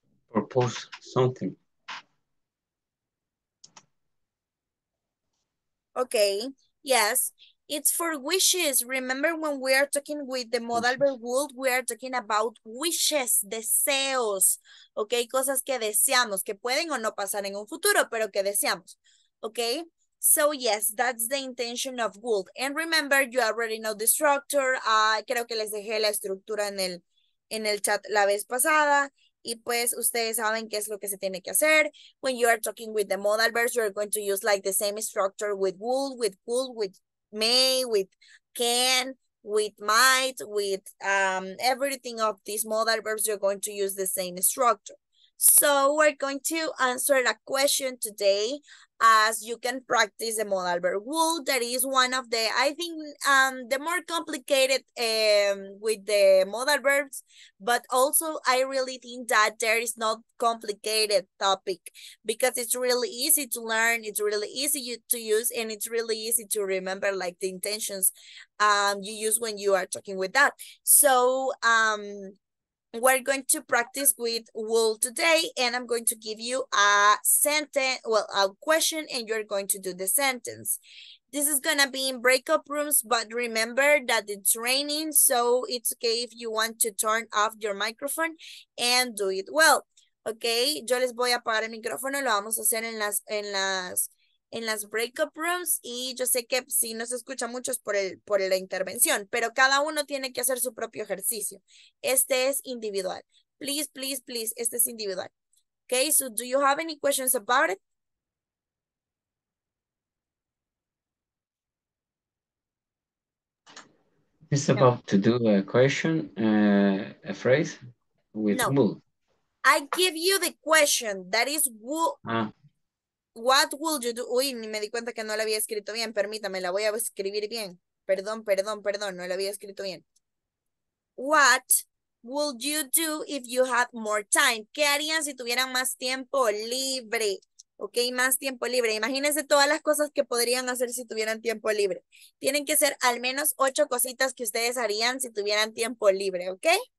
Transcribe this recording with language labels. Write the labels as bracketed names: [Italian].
[English] Propose something. Okay, yes. It's for wishes. Remember when we are talking with the modal verb would, we are talking about wishes, deseos. [Spanish] Okay, cosas que deseamos, que pueden o no pasar en un futuro, pero que deseamos. [English] Okay, so yes, that's the intention of would. And remember, you already know the structure. [Spanish] Creo que les dejé la estructura en el chat la vez pasada. Y pues ustedes saben qué es lo que se tiene que hacer. [English] When you are talking with the modal verbs, you are going to use like the same structure with would, with could, with may, with can, with might, with everything of these modal verbs, you're going to use the same structure. So we're going to answer a question today as you can practice the modal verb would. That is one of the, I think, the more complicated with the modal verbs, but also I really think that there is no complicated topic because it's really easy to learn, it's really easy to use, and it's really easy to remember like the intentions you use when you are talking with that. So we're going to practice with will today, and I'm going to give you a sentence, well, a question, and you're going to do the sentence. This is going to be in breakout rooms, but remember that it's raining, so it's okay if you want to turn off your microphone and do it well. [Spanish] Okay, yo les voy a apagar el micrófono, lo vamos a hacer en las breakout rooms, y yo sé que si no se escucha mucho es por la intervención, pero cada uno tiene que hacer su propio ejercicio. Este es individual. [English] Please, please, please, [Spanish] este es individual. [English] Okay, so do you have any questions about it? It's about no. To do a question, a phrase with no. Will. I give you the question, that is will. What would you do? [Spanish] Uy, ni me di cuenta que no la había escrito bien. Permítame, la voy a escribir bien. Perdón, perdón, perdón, no la había escrito bien. [English] What would you do if you had more time? [Spanish] ¿Qué harían si tuvieran más tiempo libre? Ok, más tiempo libre. Imagínense todas las cosas que podrían hacer si tuvieran tiempo libre. Tienen que ser al menos 8 cositas que ustedes harían si tuvieran tiempo libre, ¿ok?